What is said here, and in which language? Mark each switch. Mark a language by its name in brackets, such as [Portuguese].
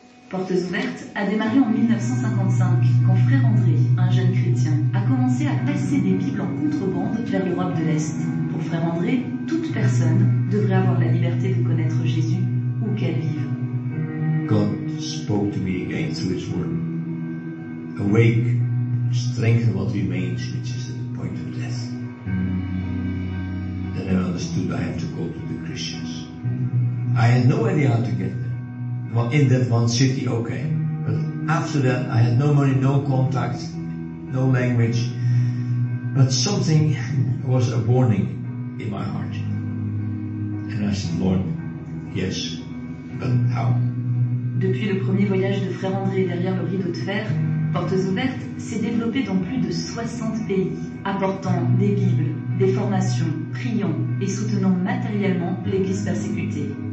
[French] Portes ouvertes a démarré en 1955 quand Frère André, un jeune chrétien, a commencé à passer des Bibles en contrebande vers l'Europe de l'Est. Pour Frère André, toute personne devrait avoir la liberté de connaître Jésus où qu'elle vive. [English] God spoke to me again through His Word. Awake, strengthen what remains, which is at the point of death. Then I understood I have to go to the Christians. I had no idea how to get there. Well, in that one city, okay. But after that, I had no money, no contact, no language. But something was a warning in my heart. And I said, Lord, yes, but how? [French] Depuis le premier voyage de Frère André derrière le rideau de fer, Portes Ouvertes s'est développée dans plus de 60 pays, apportant des Bibles, des formations, priant et soutenant matériellement l'Église persécutée.